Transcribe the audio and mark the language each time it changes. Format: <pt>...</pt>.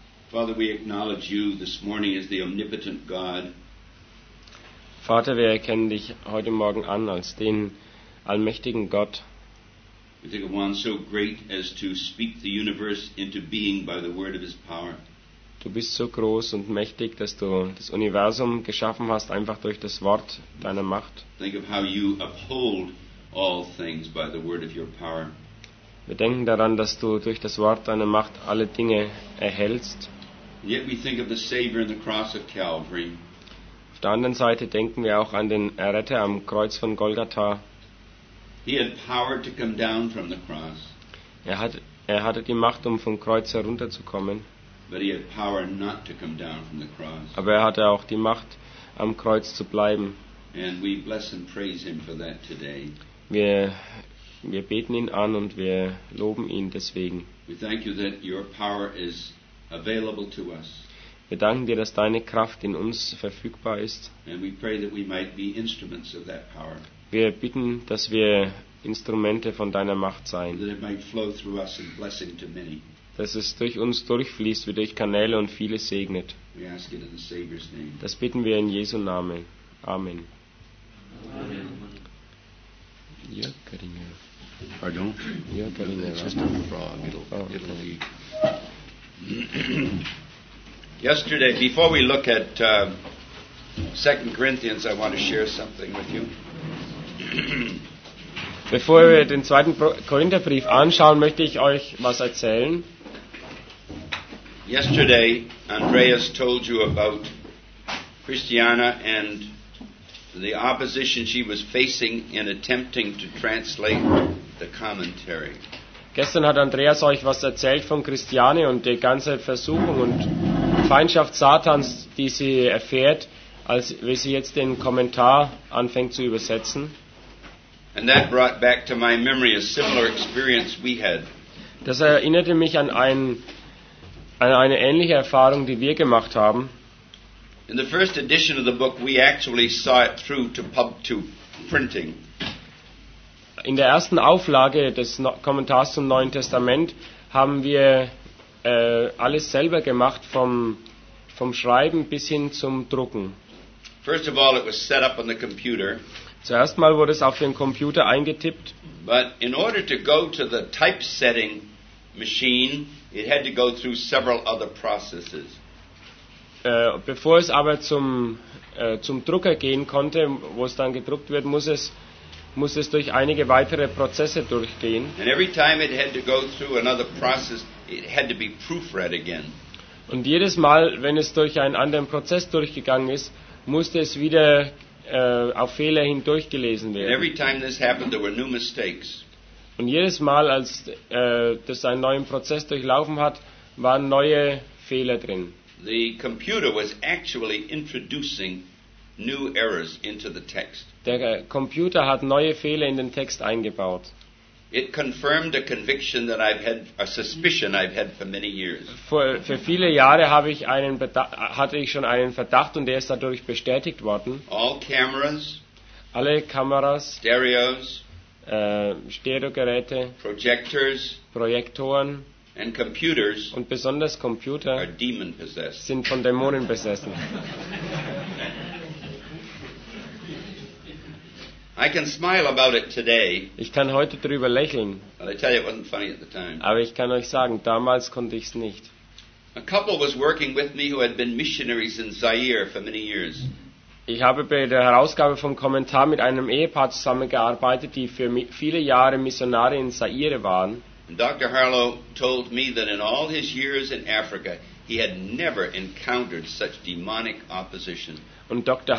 <en>Father, we acknowledge you this morning as the omnipotent God.</en> <de>Vater, wir erkennen dich heute Morgen an als den allmächtigen Gott.</de> <en>We think of one so great as to speak the universe into being by the word of his power.</en> <de>Du bist so groß und mächtig, dass du das Universum geschaffen hast einfach durch das Wort deiner Macht.</de> <en>Think of how you uphold all things by the word of your power.</en> <de>Wir denken daran, dass du durch das Wort deiner Macht alle Dinge erhältst.</de> <en>Yet we think of the Savior and the cross of Calvary.</en> <de>Auf der anderen Seite denken wir auch an den Erretter am Kreuz von Golgatha.</de> <en>He had power to come down from the cross.</en> <de>Er hatte die Macht, um vom Kreuz herunterzukommen.</de> <en>But he had power not to come down from the cross.</en> <de>Aber er hatte auch die Macht, am Kreuz zu bleiben.</de> <en>And we bless and praise him for that today.</en> <de>Wir beten ihn an und wir loben ihn deswegen.</de> <en>We thank you that your power is available to us.</en> <de>Wir danken dir, dass deine Kraft in uns verfügbar ist.</de> <en>And we pray that we might be instruments of that power.</en> <de>Wir bitten, dass wir Instrumente von deiner Macht seien.</de> <en>That it might flow through us in blessing to many.</en> <de>Dass es durch uns durchfließt, wie durch Kanäle und viele segnet.</de> <en>We ask it in the Savior's name.</en> <de>Das bitten wir in Jesu Namen. Amen. Amen.</de> <en>You're cutting it. Pardon? You're cutting it. It's just a frog. It'll leave. Yesterday, before we look at 2 Corinthians, I want to share something with you.</en> <de>Bevor wir den 2. Korintherbrief anschauen, möchte ich euch was erzählen.</de> <en>Yesterday, Andreas told you about Christiana and the opposition she was facing in attempting to translate the commentary.</en> <de>Gestern hat Andreas euch was erzählt von Christiane und der ganze Versuchung und Feindschaft Satans, die sie erfährt, als wie sie jetzt den Kommentar anfängt zu übersetzen.</de> <en>And that brought back to my memory a similar experience we had.</en> <de>Das erinnerte mich an eine ähnliche Erfahrung, die wir gemacht haben.</de> <en>In the first edition of the book, we actually saw it through to printing.</en> <de>In der ersten Auflage des Kommentars zum Neuen Testament haben wir alles selber gemacht, vom Schreiben bis hin zum Drucken.</de> <en>First of all, it was set up on the computer.</en> <de>Zuerst mal wurde es auf den Computer eingetippt.</de> <en>But in order to go to the typesetting machine, it had to go through several other processes.</en> <de>Bevor es aber zum Drucker gehen konnte, wo es dann gedruckt wird, muss es durch einige weitere Prozesse durchgehen.</de> <en>And every time it had to go through another process, it had to be proofread again.</en> <de>Und jedes Mal, wenn es durch einen anderen Prozess durchgegangen ist, musste es wieder auf Fehler hindurchgelesen werden.</de> <en>And every time this happened, there were new mistakes.</en> <de>Und jedes Mal, als das einen neuen Prozess durchlaufen hat, waren neue Fehler drin.</de> <en>The computer was actually introducing new errors into the text.</en> <de>Der Computer hat neue Fehler in den Text eingebaut.</de> <en>It confirmed a conviction that I've had, a suspicion I've had for many years.</en> <de>Für viele Jahre hatte ich schon einen Verdacht und der ist dadurch bestätigt worden.</de> <en>All cameras,</en> <de>alle Kameras,</de> <en>Stereos,</en> <de>Stereogeräte,</de> <en>Projectors,</en> <de>Projektoren.</de> <en>And computers,</en> <de>und besonders Computer,</de> <en>are demon possessed.</en> <de>Sind von Dämonen besessen.</de> <en>I can smile about it today.</en> <de>Ich kann heute drüber lächeln.</de> <en>But I tell you, it wasn't funny at the time.</en> <de>Aber ich kann euch sagen, damals konnte ich es nicht.</de> <en>A couple was working with me who had been missionaries in Zaire for many years.</en> <de>Ich habe bei der Herausgabe vom Kommentar mit einem Ehepaar zusammengearbeitet, die für viele Jahre Missionare in Zaire waren.</de> <en>Dr. Harlow told me that in all his years in Africa, he had never encountered such demonic opposition.</en> <de>Und Dr.</de>